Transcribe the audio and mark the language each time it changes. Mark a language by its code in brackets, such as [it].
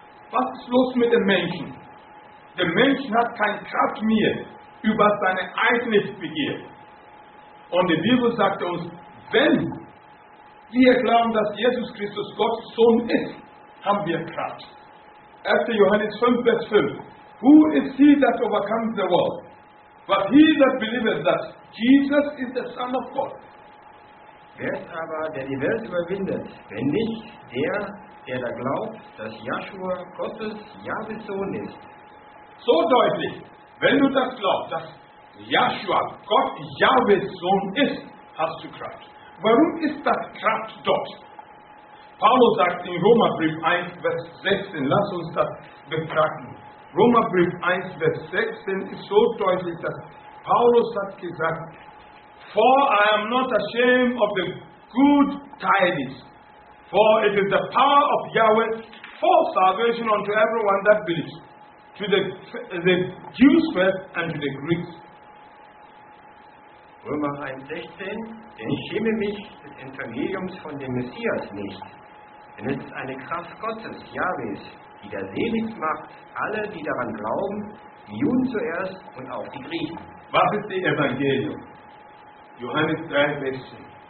[de] Was ist los mit dem Menschen? Der Mensch hat keine Kraft mehr über seine eigene Begierde. Und die Bibel sagt uns, wenn wir glauben, dass Jesus Christus Gottes Sohn ist, haben wir Kraft. [en] 1. Johannes 5, Vers 5. Who is he that overcomes the world? But he that believes that Jesus is the Son of God. [de] Wer ist aber, der die Welt überwindet, wenn nicht der da glaubt, dass Joshua Gottes Jahwe Sohn ist? So deutlich, wenn du das glaubst, dass Joshua Gott Jahwe Sohn ist, hast du Kraft. Warum ist das Kraft dort? Paulus sagt in Römerbrief 1, Vers 16, lass uns das betrachten. Römerbrief 1, Vers 16 ist so deutlich, dass Paulus hat gesagt, [en] for I am not ashamed of the good tidings. For it is the power of Yahweh for salvation unto everyone that believes, to the Jews first and to the Greeks. [de] Römer 1,16, denn ich schäme mich des Evangeliums von dem Messias nicht. Denn es ist eine Kraft Gottes, Yahwehs, die der selig macht, alle, die daran glauben, die Juden zuerst und auch die Griechen. Was ist das Evangelium? Johannes 3, Vers 10.